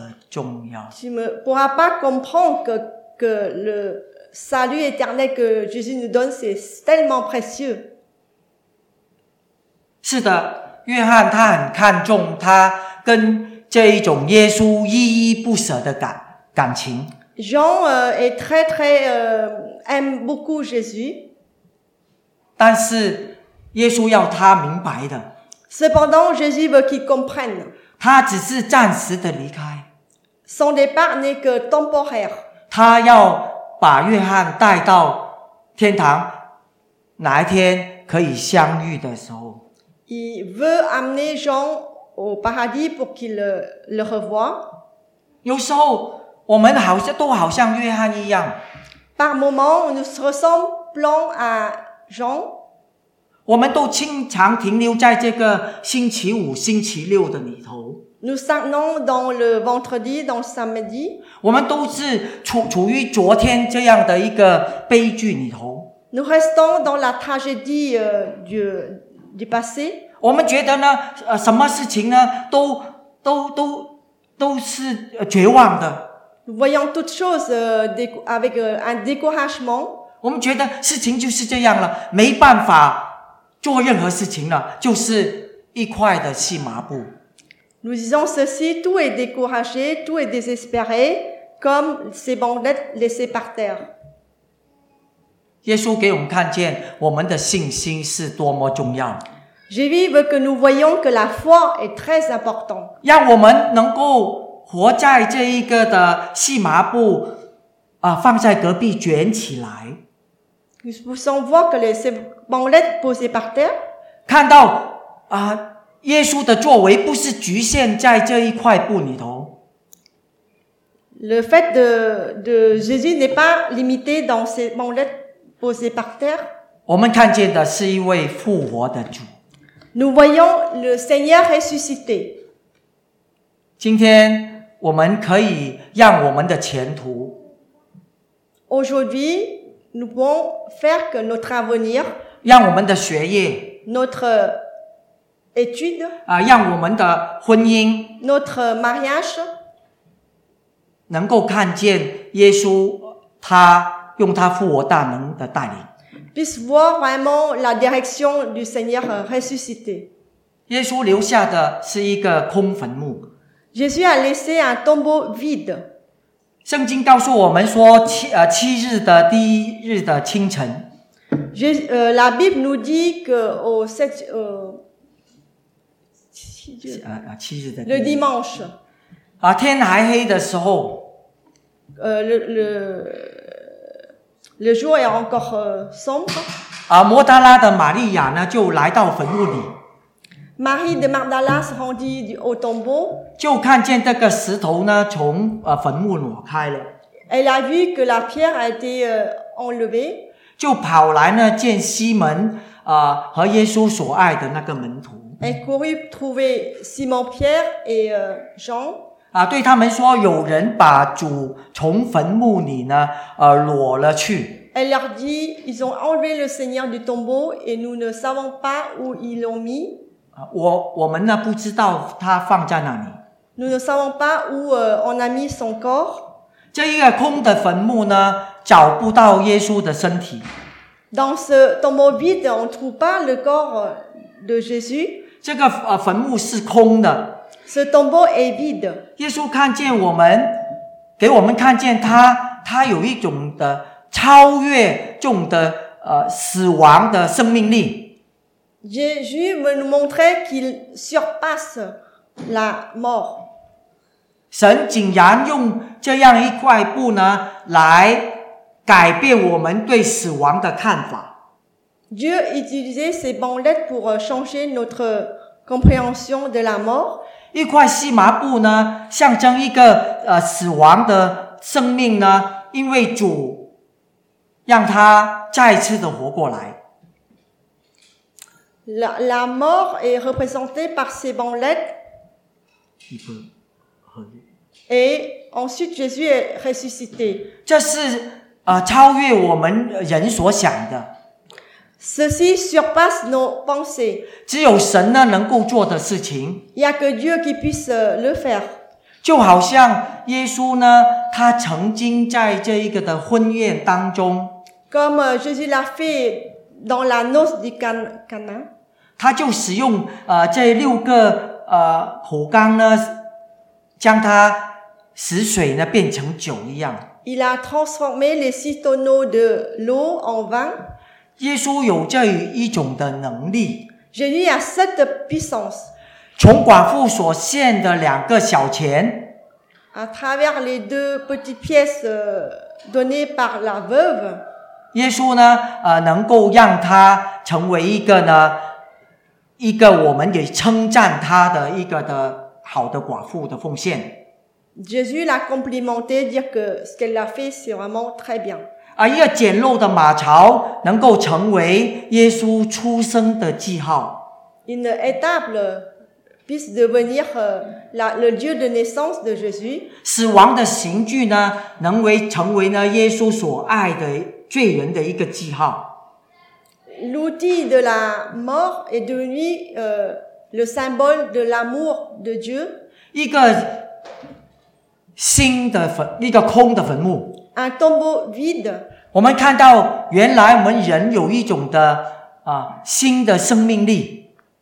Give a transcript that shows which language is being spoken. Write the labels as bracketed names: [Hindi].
[French] Tu ne pourras pas comprendre que le salut éternel que Jésus nous donne, c'est tellement précieux. [Chinese] 是的，约翰他很看重他跟这一种耶稣依依不舍的感情。 [French] Jean est très très aime beaucoup Jésus. [Chinese] 但是耶稣要他明白的。 [French] Cependant, Jésus veut qu'il comprenne. [Chinese] 他只是暂时的离开。 [French] Son départ n'est que temporaire. [Chinese] 他要把约翰带到天堂，哪一天可以相遇的时候。 [French] Il veut amener Jean au paradis pour qu'il le revoie. [Chinese] 有时候我们好像都好像约翰一样。 [French] Par moment, nous ressemblons à Jean. [Chinese] 我们都经常停留在这个星期五、星期六的里头。 [French] Nous stagnons dans le vendredi, dans le samedi. [Chinese] 我们都是处于昨天这样的一个悲剧里头。 [French] Nous restons dans la tragédie du passé. [Chinese] 我们觉得呢，什么事情呢，都是绝望的。 [French] Nous voyons toute chose avec un découragement. [Chinese] 我们觉得事情就是这样了，没办法做任何事情了，就是一块的细麻布。 [French] Nous disons ceci, tout est découragé, tout est désespéré, comme ces bandelettes laissées par terre. [Chinese] 耶稣给我们看见我们的信心是多么重要。 [French] Jésus veut que nous voyons que la foi est très importante. [Chinese] 让我们能够活在这一个的细麻布啊，放在隔壁卷起来。 [French] Nous pouvons voir que les bandelettes posées par terre. [Chinese] 看到啊。耶稣的作为不是局限在这一块布里头。 [French] Le fait de Jésus n'est pas limité dans ces bandelettes posées par terre. [Chinese] 我们看见的是一位复活的主。 [French] Nous voyons le Seigneur ressuscité. [Chinese] 今天我们可以让我们的前途。 [French] Aujourd'hui, nous pouvons faire que notre avenir. [Chinese] 让我们的学业。 [French] Notre études, [Chinese] 啊，让我们的婚姻 [French] notre mariage, [Chinese] 能够看见耶稣他用他复活大能的带领 [French] puisse voir vraiment la direction du Seigneur ressuscité. [Chinese] 耶稣留下的是一个空坟墓 [French] Jésus a laissé un tombeau vide. [Chinese] 圣经告诉我们说 七日的第一日的清晨 [French] La Bible nous dit que au sept, le dimanche. [Chinese] 啊，天还黑的时候。 [French] Le Le jour est encore sombre. [Chinese] 啊，摩大拉的玛利亚呢，就来到坟墓里。 [French] Marie de Magdala se rendit au tombeau. [Chinese] 就看见这个石头呢，从坟墓挪开了。 [French] Elle a vu que la pierre a été enlevée. [Chinese] 就跑来呢，见西门和耶稣所爱的那个门徒。 [French] Elle courut trouver Simon Pierre et Jean. [Chinese] 啊，对他们说，有人把主从坟墓里呢挪了去。 [French] Elle leur dit, ils ont enlevé le Seigneur du tombeau et nous ne savons pas où ils l'ont mis. [Chinese] 啊，我们呢不知道他放在哪里。 [French] Nous ne savons pas où on a mis son corps. [Chinese] 这一个空的坟墓呢，找不到耶稣的身体。 [French] Dans ce tombeau vide, on trouve pas le corps de Jésus. [Chinese] 这个坟墓是空的。 [French] Ce tombeau est vide. [Chinese] 耶稣看见我们，给我们看见他，他有一种的超越众的死亡的生命力。 [French] Jésus veut nous montrer qu'il surpasse la mort. [Chinese] 神竟然用这样一块布呢，来改变我们对死亡的看法。 [French] Dieu utilisait ces bandelettes pour changer notre compréhension de la mort。 [Chinese] 一块细麻布呢，象征一个死亡的生命呢，因为主让它再次的活过来。 [French] La mort est représentée par ces bandelettes。 Et ensuite, Jésus est ressuscité. [Chinese] 这是超越我们人所想的。 [French] Ceci surpasse nos pensées. [Chinese] 只有神呢能够做的事情。 [French] Il n'y a que Dieu qui puisse le faire. [Chinese] 就好像耶稣呢，他曾经在这一个的婚宴当中。 [French] Comme Jésus l'a fait dans la noce du Cana. [Chinese] 他就使用这六个壶缸呢。将它使水呢变成酒一样。 [French] Il a transformé les six tonneaux de l'eau en vin. [Chinese] 耶稣有这一种的能力。 [French] Jésus a cette puissance. [Chinese] 从寡妇所献的两个小钱。 [French] À travers les deux petites pièces données par la veuve. [Chinese] 耶稣呢能够让他成为一个我们也称赞他的一个的好的寡妇的奉献。 [French] Jésus l'a complimenté, dire que ce qu'elle a fait, c'est vraiment très bien. [Chinese] 啊，一个简陋的马槽能够成为耶稣出生的记号。 [French] Une étable puisse devenir le lieu de naissance de Jésus. [Chinese] 死亡的刑具呢，成为呢耶稣所爱的罪人的一个记号。 [French] L'outil de la mort est devenu le symbole de l'amour de Dieu. [Chinese] 一个新的坟，一个空的坟墓。 [French] Un tombeau vide. [Chinese] 我们看到原来我们人有一种的新的生命力。